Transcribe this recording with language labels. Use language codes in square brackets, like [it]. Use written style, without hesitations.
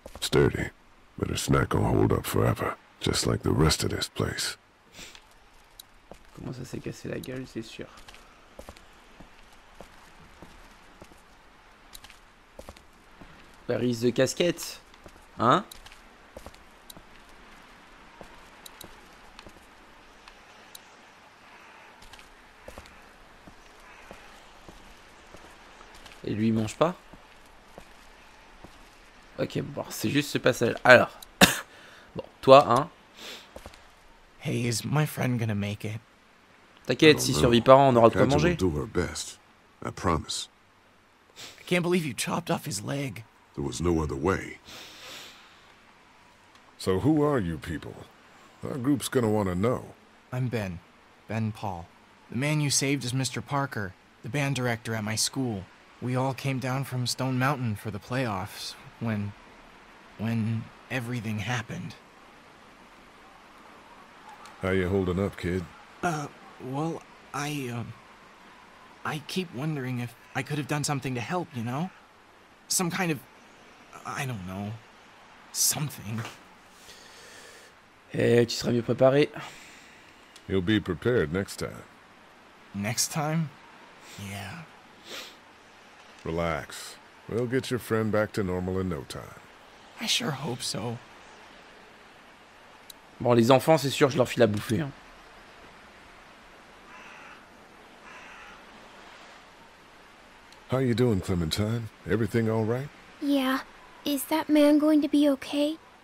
[en] Dirty, but it's not gonna hold up forever, just like the rest of this place. [fr] Comment ça s'est cassé la gueule, c'est sûr. Paris de casquette. Hein? Et lui, il mange pas? Ok, bon, c'est juste ce passage. Alors, bon, toi, hein? [en] Hey, is my friend gonna make it? [fr] T'inquiète, s'il survit pas, on aura de quoi manger. [en] Do her best. I promise. I can't believe you chopped off his leg. There was no other way. So who are you people? Our group's gonna want to know. I'm Ben. Ben Paul. The man you saved is Mr. Parker, the band director at my school. We all came down from Stone Mountain for the playoffs when everything happened. How you holding up, kid? I keep wondering if I could have done something to help, you know? Some kind of, I don't know, something. [fr] Eh, tu seras mieux préparé. [en] You'll be prepared next time. Next time? Yeah. Relax. We'll get your friend back to normal in no time. I sure hope so. [fr] Bon, les enfants, c'est sûr, je leur file à bouffer. Hein. [en] How are you doing, Clementine? Everything all right? Yeah. Is that man going to be okay?